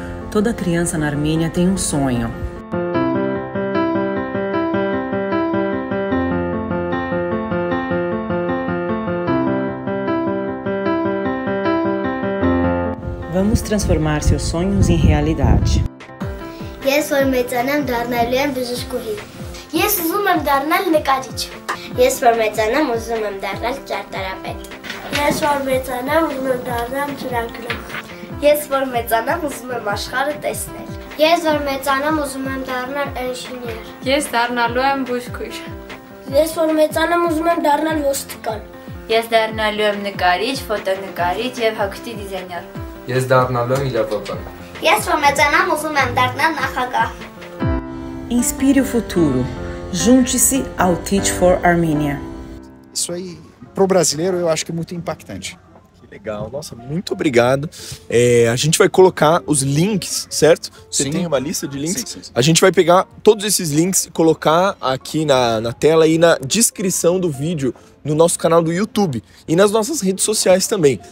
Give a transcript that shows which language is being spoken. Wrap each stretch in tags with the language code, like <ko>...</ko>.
<pt>Toda criança na Armênia tem um sonho. Vamos transformar seus sonhos em realidade.</pt> <hy>Ես որ մեծանամ դառնալու եմ բժշկուհի։ Ես ուզում եմ դառնալ նկարիչ։ Ես որ մեծանամ ուզում եմ դառնալ ճարտարապետ։ Ես որ մեծանամ ուզում եմ դառնալ ճարտարապետ։ Ես որ մեծանամ ուզում եմ աշխարհը տեսնել։ Ես որ մեծանամ ուզում եմ դառնալ ինժեներ։ Ես դառնալու եմ բժշկուհի։ Ես որ մեծանամ ուզում եմ դառնալ ոստիկան։ Ես դառնալու եմ նկարիչ, ֆոտոնկարիչ եւ հագուստի դիզայներ։ Ես դառնալու եմ իրավաբան։ Ես որ մեծանամ ուզում եմ դառնալ նախագահ։</hy> <pt>Inspire o futuro. Junte-se ao Teach for Armenia. Isso aí pro brasileiro eu acho que é muito impactante. Legal, nossa, muito obrigado. É, a gente vai colocar os links, certo? Você sim. Tem uma lista de links? Sim, sim, sim. A gente vai pegar todos esses links e colocar aqui na tela e na descrição do vídeo no nosso canal do YouTube e nas nossas redes sociais também.</pt>